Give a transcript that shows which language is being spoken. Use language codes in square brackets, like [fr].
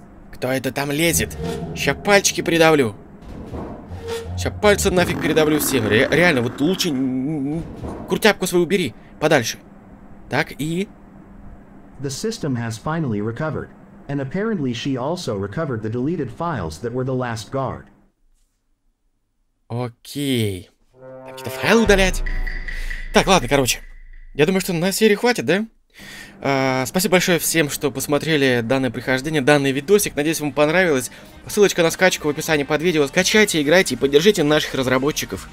[ru] К Кто это там лезет? Сейчас пальчики придавлю. Сейчас пальцы нафиг передавлю всем. Реально, вот лучше куртяпку свою убери подальше. Так, и... [en] The system has finally recovered, and apparently she also recovered the deleted files that were the last guard. [ru] Окей. Там какие-то файлы удалять? Так, ладно, короче. Я думаю, что на серии хватит, да? Спасибо большое всем, что посмотрели данное прохождение, данный видосик. Надеюсь, вам понравилось. Ссылочка на скачку в описании под видео. Скачайте, играйте и поддержите наших разработчиков.